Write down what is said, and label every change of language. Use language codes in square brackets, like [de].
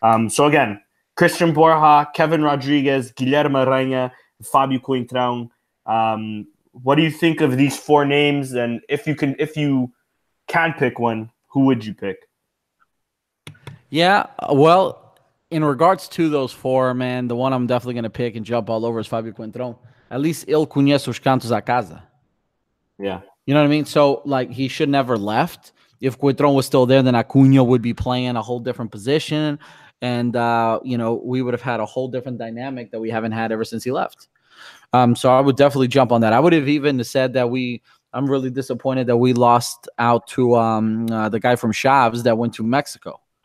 [en] So again, Christian Borja, Kevin Rodriguez, Guilherme Aranha, Fabio Coentrão. What do you think of these four names? And if you can pick one, who would you pick? Yeah, well, in regards to those four, man, the one I'm definitely going to pick and jump all over is Fabio Coentrão. At least [pt] il conheço os cantos da casa. [en] Yeah. You know what I mean? So, like, he should never left. If Coentrão was still there, then Acuña would be playing a whole different position. And, you know, we would have had a whole different dynamic that we haven't had ever since he left. So I would definitely jump on that. I would have even said that I'm really disappointed that we lost out to the guy from Chaves that went to Mexico.